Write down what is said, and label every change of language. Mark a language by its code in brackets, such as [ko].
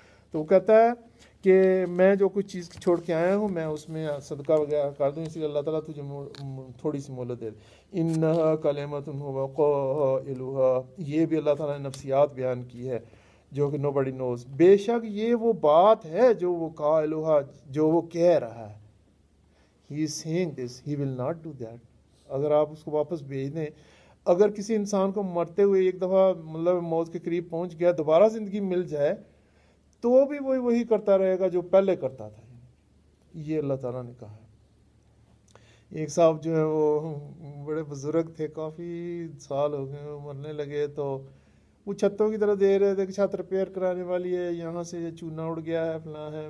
[ur] تو وہ کہتا ہے کہ میں جو کچھ چیز چھوڑ کے آیا ہوں میں اس میں صدقہ وغیرہ کر دوں, اس لیے اللہ تعالیٰ تجھے تھوڑی سی مہلت دے دے. [ar] انہا کلمتن ہوا قائلہا, [ur] یہ بھی اللہ تعالیٰ نے نفسیات بیان کی ہے جو کہ نو بڑی نوز, بے شک یہ وہ بات ہے جو وہ قائلہا جو وہ کہہ رہا ہے. [en] He is saying this, he will not do that. [ur] اگر آپ اس کو واپس بھیج دیں, اگر کسی انسان کو مرتے ہوئے ایک دفعہ مطلب موت کے قریب پہنچ گیا دوبارہ زندگی مل جائے تو بھی وہی کرتا رہے گا جو پہلے کرتا تھا, یہ اللہ تعالیٰ نے کہا ہے. ایک صاحب جو ہے وہ بڑے بزرگ تھے, کافی سال ہو گئے مرنے لگے, تو وہ چھتوں کی طرح دے رہے تھے کہ چھت رپیئر کرانے والی ہے, یہاں سے چونا اڑ گیا ہے فلاں ہے.